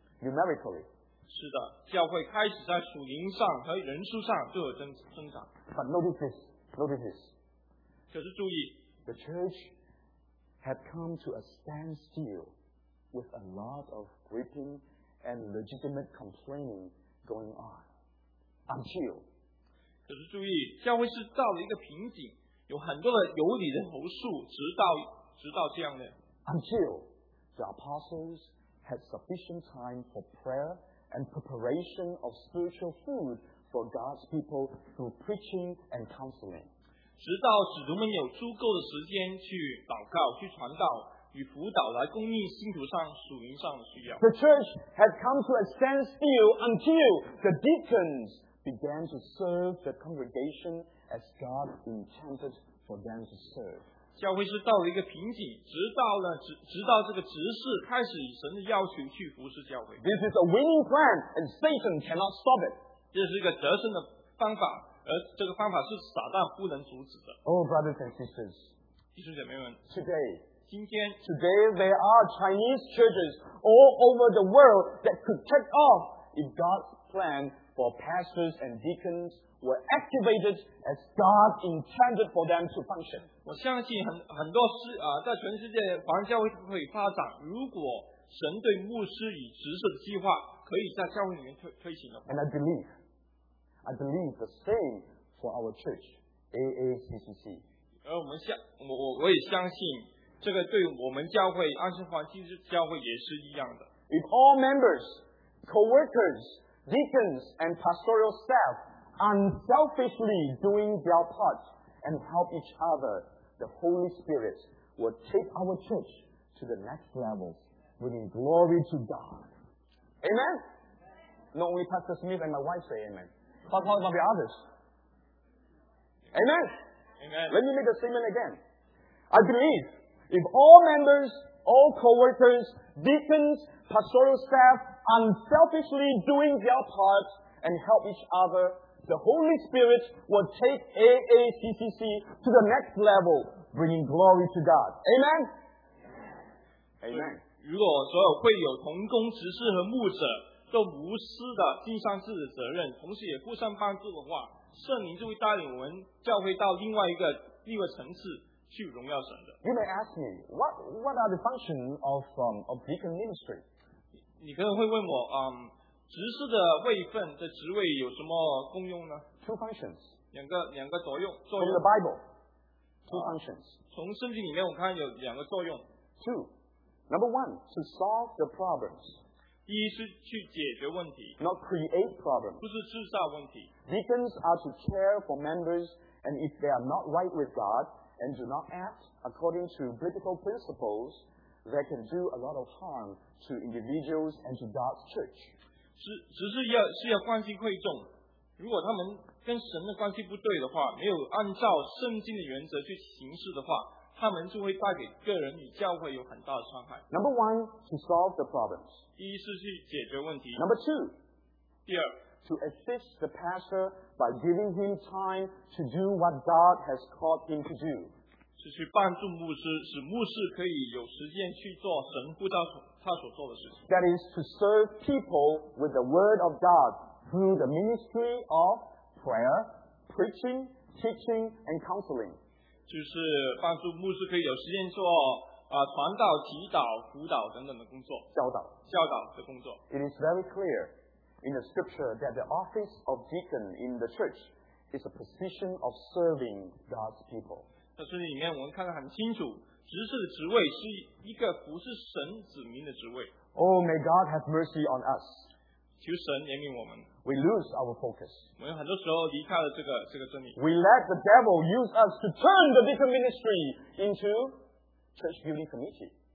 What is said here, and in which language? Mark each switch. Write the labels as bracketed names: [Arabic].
[Chinese] 是的，教会开始在属灵上和人数上就有增长。 [English] But notice this. [Chinese] 可是注意 [English] ，the church. Had come to a standstill with a lot of weeping and legitimate complaining going on. Until. [Chinese] 可是注意，教会是到了一个瓶颈，有很多的有理的投诉，直到这样的。 [English] Until the apostles had sufficient time for prayer and preparation of spiritual food for God's people through preaching and counseling. [Chinese] 直到使徒们有足够的时间去祷告、去传道与辅导，来供应信徒上属灵上的需要。 [English] The church had come to a standstill until the deacons began to serve the congregation as God intended for them to serve. [Chinese] 教会是到了一个瓶颈，直到这个执事开始以神的要求去服侍教会。 [English] This is a winning plan, and Satan cannot stop it. [Chinese] 这是一个得胜的方法。而这个方法是撒旦不能阻止的。 [English] Oh, brothers and sisters, [Chinese] 弟兄姐妹们 [English] ，today, [Chinese] 今天 [English] ，today there are Chinese churches all over the world that could take off if God's plan for pastors and deacons were activated as God intended for them to function. [Chinese] 我相信很多在全世界华人教会会发展，如果神对牧师与执事的计划可以在教会里面推行的话。 [English] And I believe the same for our church, AACCC. [Chinese] 而我们相我也相信，这个对我们教会安息华基督教会也是一样的。 [English] If all members, co-workers, deacons, and pastoral staff unselfishly doing their part and help each other, the Holy Spirit will take our church to the next level, bringing glory to God. Amen. Not only Pastor Smith and my wife say Amen. But how about the others? Amen. Amen. Let me make a statement again. I believe if all members, all co-workers, deacons, pastoral staff, unselfishly doing their part and help each other, the Holy Spirit will take AACCC to the next level, bringing glory to God. Amen. Amen. [Chinese] 如果所有会有同工执事和牧者都无私的尽上自己的责任，同时也互相帮助的话，圣灵就会带领我们教会到另外一个层次去荣耀神的。 [English] You may ask me what are the function of deacon ministry? [Chinese] 你可能会问我，执事的位分的职位有什么功用呢 [English] ？Two functions， [Chinese] 两个作用。 [English] From the Bible, two functions。 [Chinese] 从圣经里面我看有两个作用。 [English] Two， Number one, to solve the problems. [Chinese] 第一是去解决问题。 [English] Not create problems. [Chinese] 不是制造问题。 [English] Deacons are to care for members, and if they are not right with God and do not act according to biblical principles, they can do a lot of harm to individuals and to God's church. [Chinese] 只是要关心会众。如果他们跟神的关系不对的话，没有按照圣经的原则去行事的话，他们就会带给个人与教会有很大的伤害。 [English] Number one, to solve the problems. [Chinese] 第一是去解决问题。 [English] Number two, [Chinese] 第二 [English] to assist the pastor by giving him time to do what God has called him to do. [Chinese] 是去帮助牧师，使牧师可以有时间去做神呼召他所做的事情。 That is to serve people with the word of God through the ministry of prayer, preaching, teaching, and counseling. 就是帮助牧师可以有时间做传道、祈祷、辅导等等的工作，教导的工作。 [English] It is very clear in the scripture that the office of deacon in the church is a position of serving God's people. [Chinese] 在圣经里面我们看得很清楚，执事的职位是一个服侍神子民的职位。 [English] Oh, may God have mercy on us. [Chinese] 求神怜悯我们。 [English] We lose our focus. [Chinese] 我们很多时候离开了这个真理。 [English] We let the devil use us to turn the deacon ministry into church building committee.